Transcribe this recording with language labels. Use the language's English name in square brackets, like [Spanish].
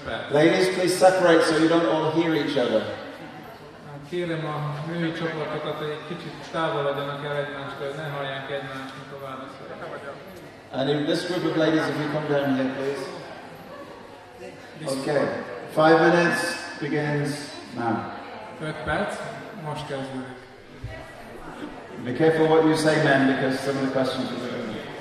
[English] Ladies, please separate so you don't all hear each other. [Hungarian] Kérem a női csoportokat, hogy egy kicsit távol legyenek el egymástól, ne hallják egymásnak a válaszokat. [English] And in this group of ladies, if you come down here, please. Okay, 5 minutes begins now. [Hungarian] 5 perc, most kezdődik. [English] Be careful what you say, men, because some of the questions are going to be.